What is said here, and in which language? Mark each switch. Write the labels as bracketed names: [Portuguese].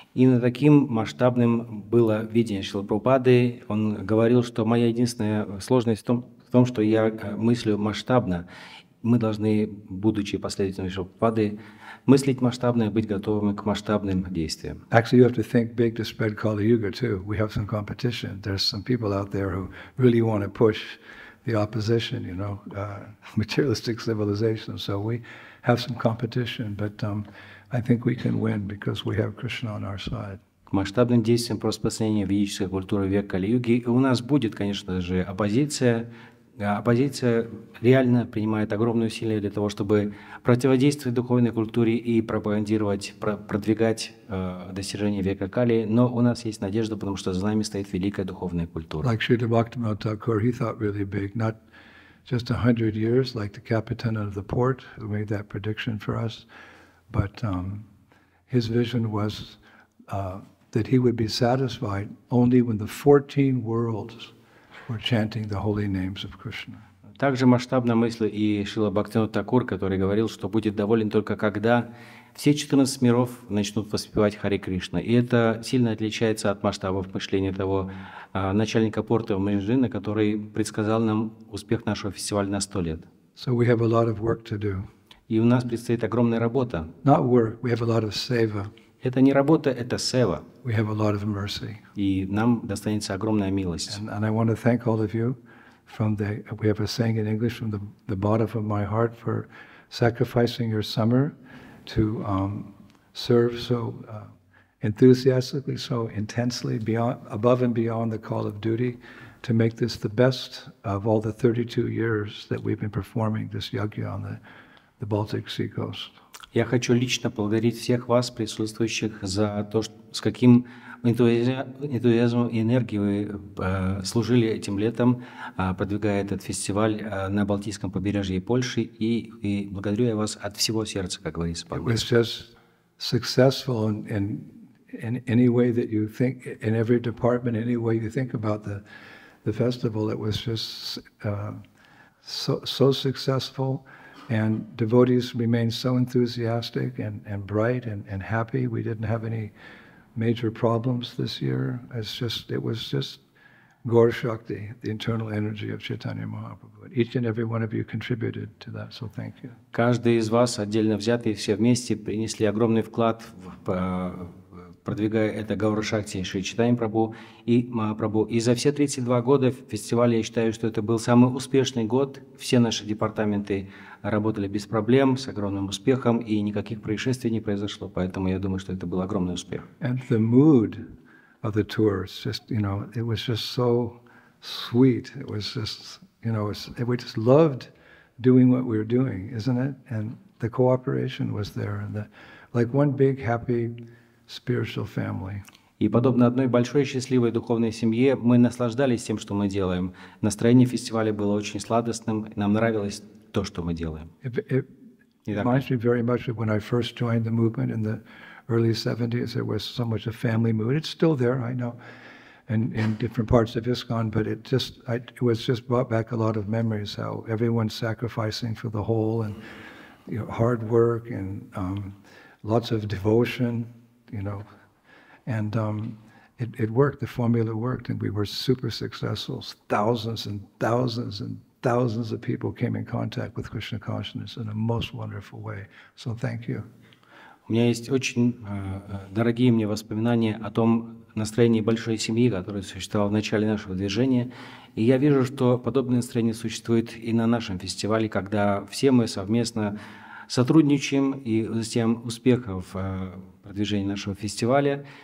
[Russian] Именно таким масштабным было видение Шрила Прабхупады. Он говорил, что моя единственная сложность в том, что я мыслю масштабно. Мы должны, будучи последователями Шрила Прабхупады, мыслить масштабно и быть готовыми к масштабным действиям. [English] Actually, you have to think big to spread Kali Yuga too. We have some competition. There's some people out there who really want to push the opposition, you know, materialistic civilization. So we have some competition, but I think we can win because we have Krishna on our side. [Russian] К масштабным действиям по распространению ведической культуры века Кали-Юги у нас будет, конечно же, оппозиция. Оппозиция реально принимает огромные усилия для того, чтобы противодействовать духовной культуре и продвигать достижения века Кали. Но у нас есть надежда, потому что за нами стоит великая духовная культура. [English] Like Srila Bhaktivinoda Thakur, he thought really big, not just 100 years, like the captain of the port who made that prediction for us, but his vision was that he would be satisfied only when the 14 worlds were chanting the holy names of Krishna. [Russian] Также масштабно мысли и Шрила Бхактивинода Такур, который говорил, что будет доволен только когда все 14 миров начнут воспевать Хари Кришна. И это сильно отличается от масштабов мышления того начальника порта в Мейджине, который предсказал нам успех нашего фестиваля на 100 лет. [English] So we have a lot of work to do. [Russian] И у нас предстоит огромная работа. [English] Not work, we have a lot of seva. [Russian] Это не работа, это сева. [English] We have a lot of mercy. [Russian] И нам достанется огромная милость. [English] And I want to thank all of you from the, we have a saying in English, from the bottom of my heart for sacrificing your summer to serve so enthusiastically, so intensely, beyond, above and beyond the call of duty to make this the best of all the 32 years that we've been performing this yajna on the Baltic Sea coast. [Russian] Я хочу лично поблагодарить всех вас, присутствующих, за то, что, с каким энтузиазмом и энергией вы служили этим летом, продвигая этот фестиваль на Балтийском побережье Польши. И благодарю я вас от всего сердца, как говорится. [English] It was just successful in any way that you think, in every department, any way you think about the festival. It was just so successful. And devotees remained so enthusiastic and bright and happy. We didn't have any major problems this year. It was just Gaur Shakti, the internal energy of Chaitanya Mahaprabhu. Each and every one of you contributed to that, so thank you. [Russian] Каждый из вас отдельно взятый, все вместе принесли огромный вклад в продвигая это Гаура Шакти, Шри Чайтанья Прабху и Махапрабху. И за все 32 года фестиваля я считаю, что это был самый успешный год. Все наши департаменты работали без проблем, с огромным успехом, и никаких происшествий не произошло. Поэтому я думаю, что это был огромный успех. [English] And the mood of the tour, it's just, you know, it was just so sweet. It was just, you know, we just loved doing what we were doing, isn't it? And the cooperation was there. And the, like one big happy spiritual family. [Russian] И подобно одной большой счастливой духовной семье, мы наслаждались тем, что мы делаем. Настроение фестиваля было очень сладостным, нам нравилось то, что мы делаем. [English] It reminds me very much of when I first joined the movement in the early 70s, there was so much a family mood. It's still there, I know, and in different parts of ISKCON, but it was just brought back a lot of memories, how everyone's sacrificing for the whole, and you know, hard work, and lots of devotion, you know. And it worked, the formula worked, and we were super successful. Thousands and thousands and thousands of people came in contact with Krishna consciousness in a most wonderful way. So thank you. [Russian] У меня есть очень дорогие мне воспоминания о том настроении большой семьи, которое существовало в начале нашего движения. И я вижу, что подобное настроение существует и на нашем фестивале, когда все мы совместно сотрудничаем и затем успехов продвижения нашего фестиваля.